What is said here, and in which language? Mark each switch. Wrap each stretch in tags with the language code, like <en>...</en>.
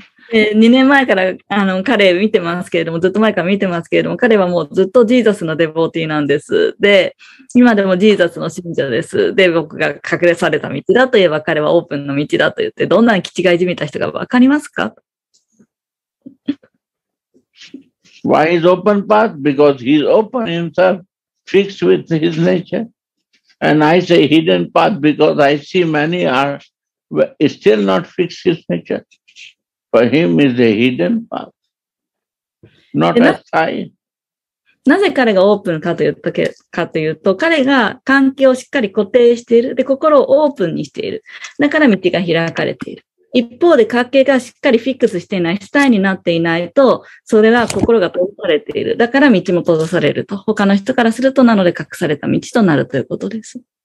<ja>2年前から彼見てますけれども、ずっと前から見てますけれども、彼はもうずっとジーザスのデボーティーなんです。で、今でもジーザスの信者です。で、僕が隠れされた道だといえば、彼はオープンの道だと言って、どんな気違いじみた人がわかりますか？</ja> <en>Why is open path? Because he is open himself, fixed with his nature. And I say hidden path because I see many are still not fixed his nature. For him is a hidden path, not a sign.</en> <ja>なぜ彼がオープンかというと、彼が関係をしっかり固定している。で、心をオープンにしている。だから道が開かれている。一方で関係がしっかりフィックスしていない、スタイになっていないと、それは心が閉ざされている。だから道も閉ざされると。他の人からすると、なので隠された道となるということです。</ja>